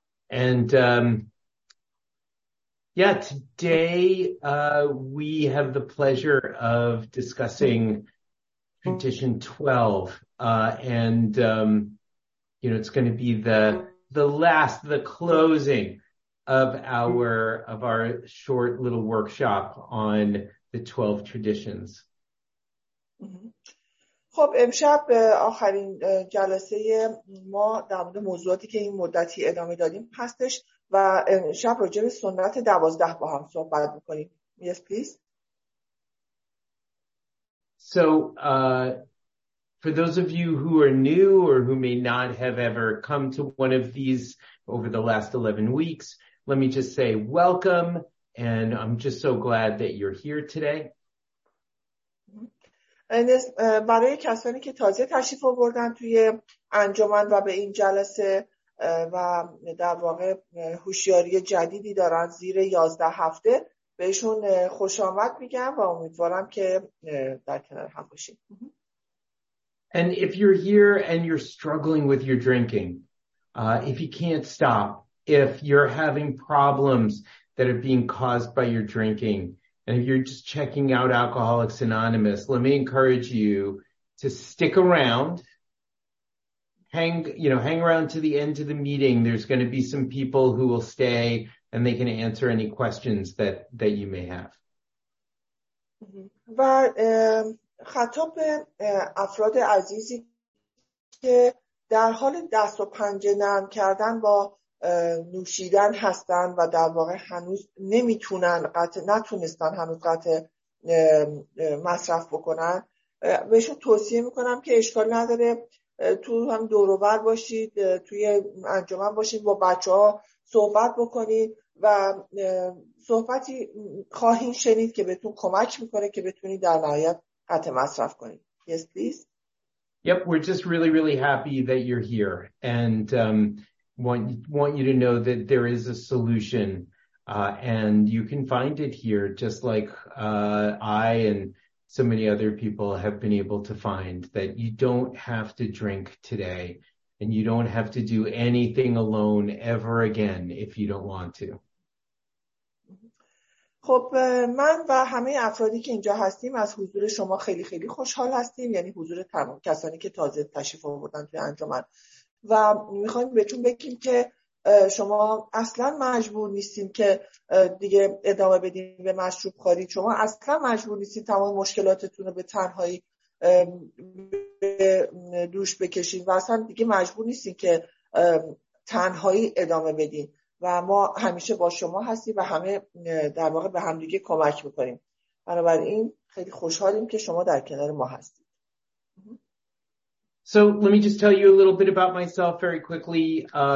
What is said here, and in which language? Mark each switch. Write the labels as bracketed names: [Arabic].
[English] And yeah, today we have the pleasure of discussing tradition 12, and you know, it's going to be the last, the closing of our short little workshop on the 12 traditions. [Persian] خب امشب آخرین جلسه ما در مورد موضوعاتی که این مدتی ادامه دادیم هستش و امشب راجع به سنت 12 با هم صحبت می‌کنیم. [English] Yes, please. So, for those of you who are new or who may not have ever come to one of these over the last 11 weeks, let me just say welcome and I'm just so glad that you're here today. [Persian] برای کسانی که تازه تشریف آوردن توی انجمن و به این جلسه و در واقع هوشیاری جدیدی دارن زیر 11 بهشون خوش آمد میگم و امیدوارم که در کنار هم باشیم. [English] And if you're here and you're struggling with your drinking, if you can't stop, if you're having problems that are being caused by your drinking, and if you're just checking out Alcoholics Anonymous, let me encourage you to stick around. Hang around to the end of the meeting. There's going to be some people who will stay and they can answer any questions that you may have. [Persian] و خطاب افراد عزیزی که در حال دست و پنجه نرم کردن با نوشیدن هستن و در واقع هنوز نمیتونن نتونستن هنوز قطع مصرف بکنن، بهشون توصیه میکنم که اشکال نداره تو هم دوروبر باشید، توی انجمن باشید، با بچه ها صحبت بکنید و صحبتی خواهید شنید که بهتون کمک میکنه که بتونید در نهایت قطع مصرف کنید. [English] Yes, please. Yep, we're just really, really happy that you're here. And want you to know that there is a solution and you can find it here just like I and so many other people have been able to find that you don't have to drink today and you don't have to do anything alone ever again if you don't want to. [Persian] خب من و همه افرادی که اینجا هستیم از حضور شما خیلی خیلی خوشحال هستیم، یعنی حضور تمام کسانی که تازه تشریف آوردن توی انجمن، و میخوایم بهتون بگیم که شما اصلا مجبور نیستیم که دیگه ادامه بدیم به مشروب خوری. شما اصلا مجبور نیستیم تمام مشکلاتتون رو به تنهایی به دوش بکشین و اصلا دیگه مجبور نیستیم که تنهایی ادامه بدین و ما همیشه با شما هستیم و همه در واقع به همدیگه کمک میکنیم. بنابراین خیلی خوشحالیم که شما در کنار ما هستیم. [English] So let me just tell you a little bit about myself very quickly.